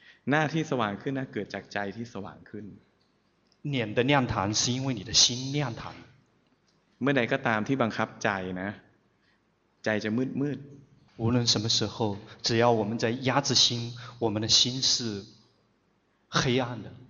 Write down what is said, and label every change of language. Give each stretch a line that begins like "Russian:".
Thai: หน้าที่สว่างขึ้นนะเกิดจากใจที่สว่างขึ้น
Chinese: 脸的亮堂是因为你的心亮堂
Thai: เมื่อใดก็ตามที่บังคับใจนะใจจะมืดมืด
Chinese: 无论什么时候只要我们在压制心我们的心是黑暗的